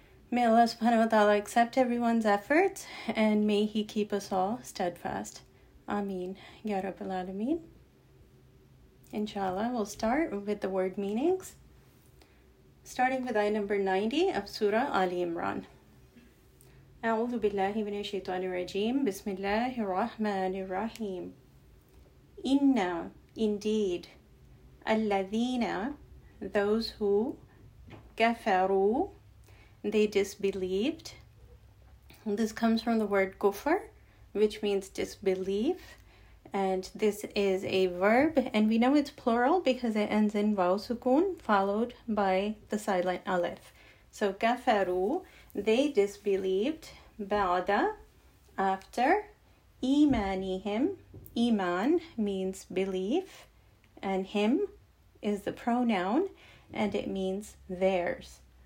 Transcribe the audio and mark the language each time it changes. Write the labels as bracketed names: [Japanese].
[English] May Allah subhanahu wa ta'ala accept everyone's efforts, and may He keep us all steadfast. Ameen. Ya Rabbil Alameen. Inshallah, we'll start with the word meanings. Starting with ayah number 90 of Surah Ali Imran. [Arabic] أعوذ بالله من الشيطان الرجيم بسم الله الرحمن الرحيم إن [English] indeed [Arabic] الذين [English] those who [Arabic] كفروا [English] they disbelieved. This comes from the word كفر, which means disbelief, and this is a verb, and we know it's plural because it ends in واو سكون followed by the silent ألف. So كفروا, they disbelieved, بعد, after, إيمانهم, إيمان means belief, and him is the pronoun, and it means theirs.